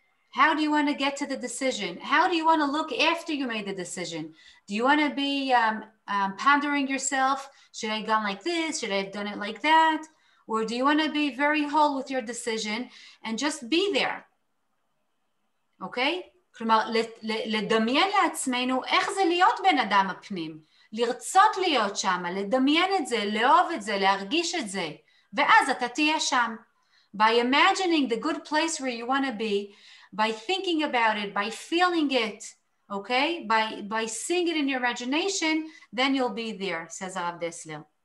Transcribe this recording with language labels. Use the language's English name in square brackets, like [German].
[English] How do you want to get to the decision? How do you want to look after you made the decision? Do you want to be pondering yourself? Should I have gone like this? Should I have done it like that? Or do you want to be very whole with your decision and just be there? Okay? [Hebrew] כלומר, לדמיין לעצמנו איך זה להיות בן אדם הפנים. לרצות להיות שם, לדמיין את זה, לאהוב את זה, להרגיש את זה. ואז אתה תהיה שם. [English] By imagining the good place where you want to be, by thinking about it, by feeling it, okay? By seeing it in your imagination, then you'll be there, says הרב דסלר.